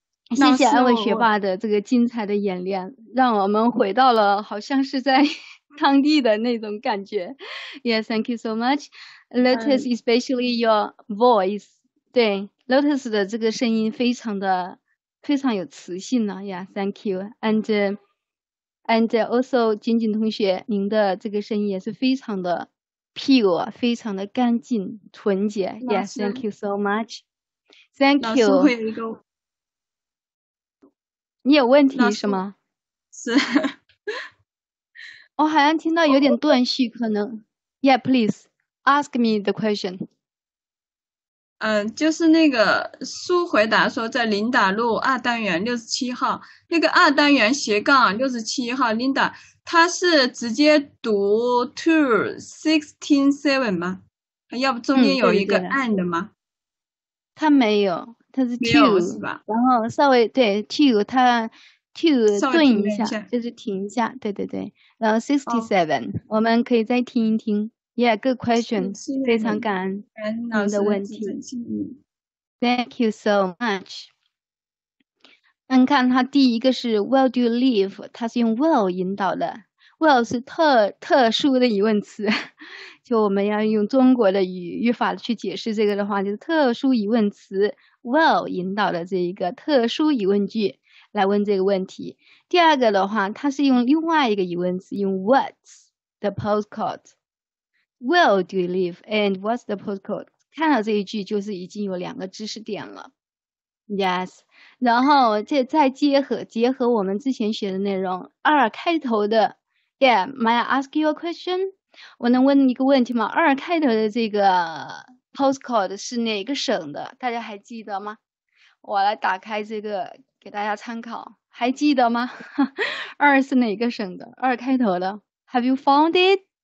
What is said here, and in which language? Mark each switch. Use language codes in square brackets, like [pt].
[zh] 谢谢安伟学霸的这个精彩的演练，让我们回到了好像是在当地的那种感觉。 [en] Yeah, thank you so much. Lotus, especially your voice. [zh] 对 ,Lotus 的这个声音非常的非常有磁性呢。 [en] Yeah, thank you. And also, [zh] 景景同学，您的这个声音也是非常的 pure， 非常的干净、纯洁。 [en] Yes, thank you so much. Thank you. [zh] 老师会有一个，你有问题是吗？是。我好像听到有点断续，可能。 [en] Yeah, please ask me the question. [zh] 就是那个苏回答说，在琳达路二单元67号，那个二单元-67号，琳达，他是直接读 2167吗？要不中间有一个 and 吗？他、没有，他是 two 是吧？然后稍微对 two， 他 two 顿一下，就是停一下，对对对，然后67，我们可以再听一听。 [en] Yeah, good question. [zh] 非常感恩您的问题。 [en] Thank you so much. [zh] 你看它第一个是 [en] Where do you live? [zh] 它是用 Where 引导的。Where 是特殊的疑问词。就我们要用中国的语法去解释这个的话，就是特殊疑问词 Where 引导的这一个特殊疑问句来问这个问题。第二个的话，它是用另外一个疑问词，用 [en] What's the postcode? Where do you live and what's the postcode? [zh] 看到这一句就是已经有两个知识点了。 [en] Yes. [zh] 然后这再结合我们之前学的内容。二开头的 [en] Yeah, may I ask you a question? [zh] 我能问一个问题吗？二开头的这个 postcode 是哪个省的？大家还记得吗？我来打开这个给大家参考。还记得吗？二是哪个省的？二开头的。 [en] Have you found it?